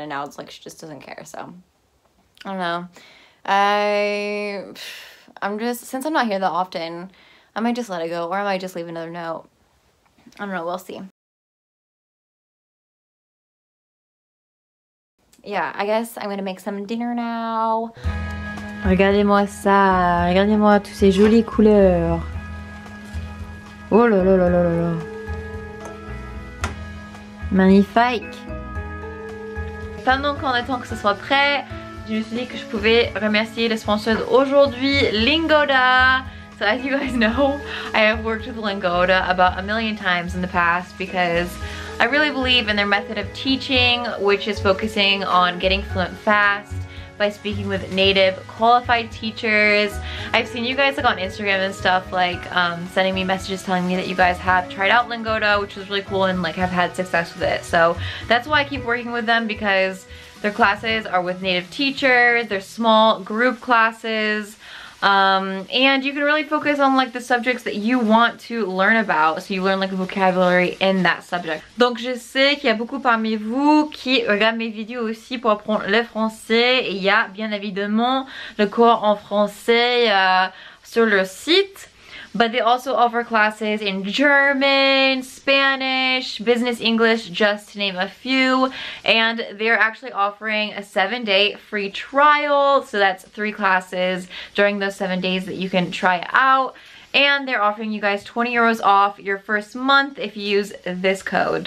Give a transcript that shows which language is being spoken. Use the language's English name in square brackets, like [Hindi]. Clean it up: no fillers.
[English] And now it's like she just doesn't care. So I don't know. I'm just, since I'm not here that often, I might just let it go, or I might just leave another note. I don't know, we'll see. Yeah, I guess I'm gonna make some dinner now. [French] Regardez-moi ça, regardez-moi toutes ces jolies couleurs. Oh là là là là là là. Magnifique. Pendant qu'on attend que ce soit prêt, je me suis dit que je pouvais remercier les sponsors aujourd'hui, Lingoda. [English] So as you guys know, I have worked with Lingoda about a million times in the past because I really believe in their method of teaching, which is focusing on getting fluent fast by speaking with native qualified teachers. I've seen you guys like on Instagram and stuff, like sending me messages telling me that you guys have tried out Lingoda, which was really cool, and like have had success with it. So that's why I keep working with them, because their classes are with native teachers, they're small group classes, and you can really focus on like the subjects that you want to learn about, so you learn like vocabulary in that subject. [French] Donc je sais qu'il y a beaucoup parmi vous qui regardent mes vidéos aussi pour apprendre le français. Il y a bien évidemment le cours en français sur leur site. [English] But they also offer classes in German, Spanish, Business English, just to name a few. And they're actually offering a 7-day free trial. So that's 3 classes during those 7 days that you can try out. And they're offering you guys 20 euros off your first month if you use this code.